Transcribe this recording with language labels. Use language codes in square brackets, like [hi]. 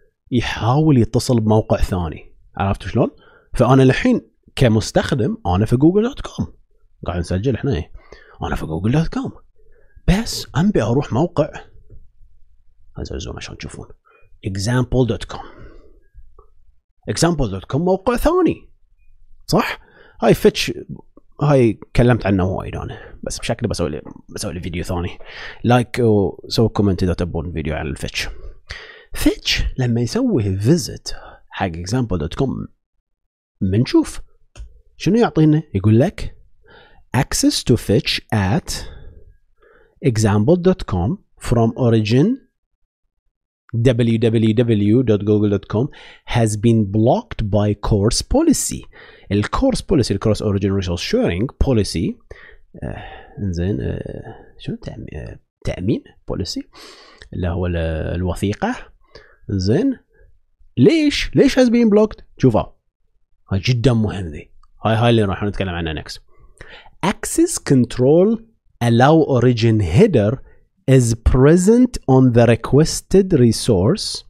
[ar] يحاول يتصل بموقع ثاني، عرفت شلون؟ فانا الحين كمستخدم انا في google.com قاعد نسجل احنا، انا في google.com بس ابي اروح موقع، ازوم عشان تشوفون example.com. example.com موقع ثاني صح؟ هاي فتش هاي كلمت عنه وايد انا، بس بشكل بسوي لي فيديو ثاني، لايك وسوي كومنت اذا تبون فيديو عن الفتش. فتش لما يسوي فيزيت حق example.com منشوف شنو يعطينا؟ يقول لك [en] access to fetch at example.com from origin www.google.com has been blocked by course policy. [ar] الcourse policy، ال [en] cross origin resource sharing policy، [ar] انزين شنو تأمين policy اللي هو الوثيقة زين. ليش [en] has been blocked؟ [ar] شوفها هاي جدا مهم، ذي هاي اللي راح نتكلم عنها next. [en] access control allow origin header is present on the requested resource.